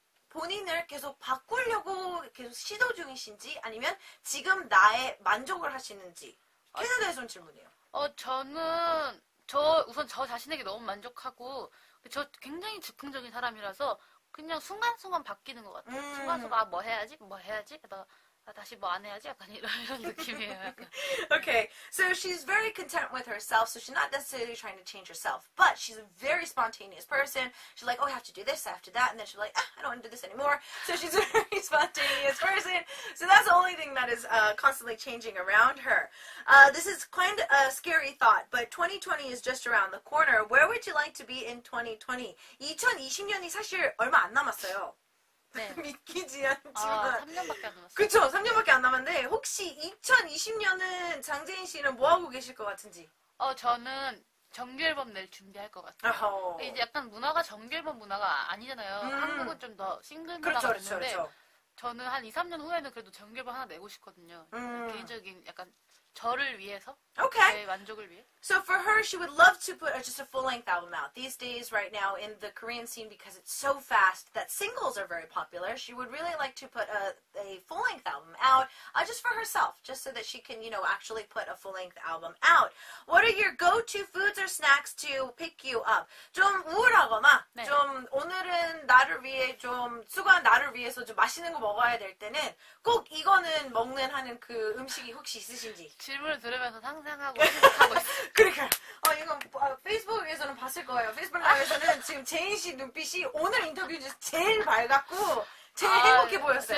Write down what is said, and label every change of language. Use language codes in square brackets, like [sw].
[ko] 본인을 계속 바꾸려고 계속 시도 중이신지 아니면 지금 나에 만족을 하시는지 계속 대해서 질문이에요. 저는 우선 저 자신에게 너무 만족하고 저 굉장히 즉흥적인 사람이라서 그냥 순간순간 바뀌는 것 같아요. 순간순간 아, 뭐 해야지? 뭐 해야지? 다시 뭐 안 해야지? 약간 이런 느낌이에요. 약간. [en] Okay, so she's very content with herself, so she's not necessarily trying to change herself, but she's a very spontaneous person. She's like, oh, I have to do this, I have to do that, and then she's like, ah, I don't want to do this anymore. So she's a very spontaneous person. So that's the only thing that is constantly changing around her. This is quite a scary thought, but 2020 is just around the corner. Where would you like to be in 2020? [ko] 2020년이 사실 얼마 안 남았어요. 네. 믿기지 않지만 아, 3년밖에 안 남았어요. 그쵸, 3년밖에 안 남았는데 혹시 2020년은 장재인 씨는 뭐하고 계실 것 같은지? 저는 정규앨범 낼 준비할 것 같아요. 어허. 이제 약간 문화가 정규앨범 문화가 아니잖아요. 한국은 좀 더 싱글 문화가 그렇죠, 그렇죠, 있는데 그렇죠. 저는 한 2, 3년 후에는 그래도 정규앨범 하나 내고 싶거든요. 개인적인 약간 저를 위해서. [en] Okay. [ko] 제 만족을 위해. [en] So for her, she would love to put just a full-length album out. These days, right now, in the Korean scene, because it's so fast that singles are very popular, she would really like to put a full-length album out just for herself, just so that she can, you know, actually put a full-length album out. What are your go-to foods or snacks to pick you up? [ko] 좀 우울하거나, 네. 좀 오늘은 나를 위해 좀 수고한 나를 위해서 좀 맛있는 거 먹어야 될 때는 꼭 이거는 먹는 하는 그 음식이 혹시 있으신지. 질문을 들으면서 상상하고 생각하고 있어요. 그러니까 이건 페이스북에서는 봤을 거예요. 페이스북 라이브에서는 지금 제인 씨 눈빛이 오늘 인터뷰 중에서 제일 밝았고 제일 행복해 보였어요.